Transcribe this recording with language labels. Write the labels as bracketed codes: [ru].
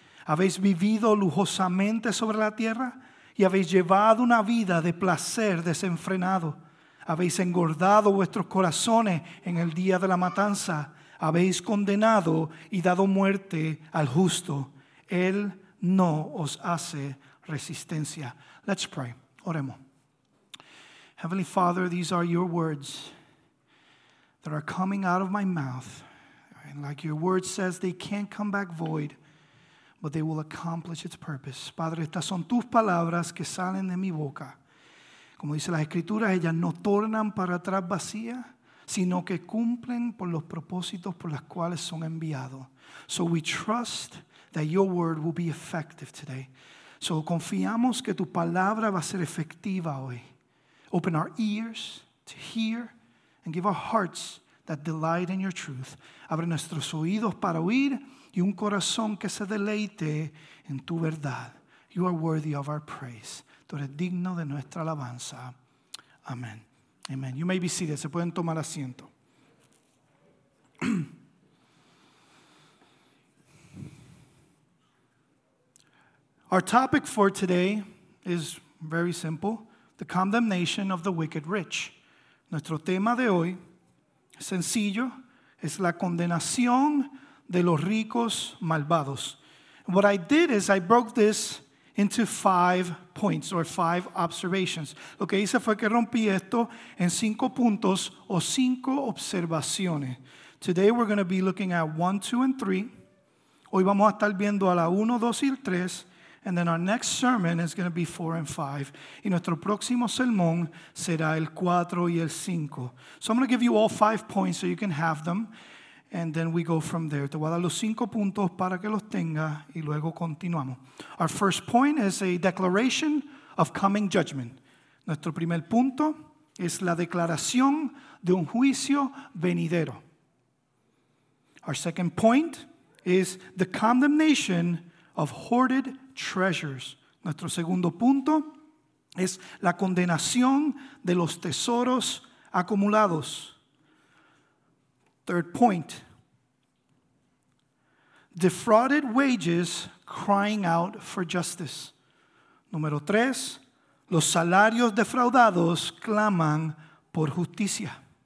[es] Habéis vivido lujosamente sobre la tierra y habéis llevado una vida de placer desenfrenado. Habéis engordado vuestros corazones en el día de la matanza. Habéis condenado y dado muerte al justo. Él no os hace resistencia. [en] Let's pray. [es] Oremos. [en] Heavenly Father, these are your words that are coming out of my mouth. And like your word says, they can't come back void, but they will accomplish its purpose. [es] Padre, estas son tus palabras que salen de mi boca. Como dice la Escritura, ellas no tornan para atrás vacías, sino que cumplen por los propósitos por las cuales son enviados. [en] So we trust that your word will be effective today. [es] So confiamos que tu palabra va a ser efectiva hoy. [en] Open our ears to hear and give our hearts that delight in your truth. [es] Abre nuestros oídos para oír y un corazón que se deleite en tu verdad. [en] You are worthy of our praise. [es] Tú eres digno de nuestra alabanza. Amén. Amen. [en] You may be seated. [es] Se pueden tomar asiento. [en] Our topic for today is very simple: the condemnation of the wicked rich. [es] Nuestro tema de hoy es sencillo. Es la condenación de los ricos malvados. [en] What I did is I broke this into 5 points or 5 observations. [es] Lo que hice fue que rompí esto en 5 puntos o 5 observaciones. [en] Today we're going to be looking at 1, 2, and 3. [es] Hoy vamos a estar viendo a la 1, 2 y 3. [en] And then our next sermon is going to be 4 and 5. [es] Y nuestro próximo sermón será el 4 y el 5. [en] So I'm going to give you all 5 points so you can have them. And then we go from there. [es] Te voy a dar los 5 puntos para que los tenga y luego continuamos. [en] Our first point is a declaration of coming judgment. [es] Nuestro primer punto es la declaración de un juicio venidero. [en] Our second point is the condemnation of hoarded treasures. [es] Nuestro segundo punto es la condenación de los tesoros acumulados. [en] Third point, defrauded wages crying out for justice. [es] Número tres, los salarios defraudados claman por justicia.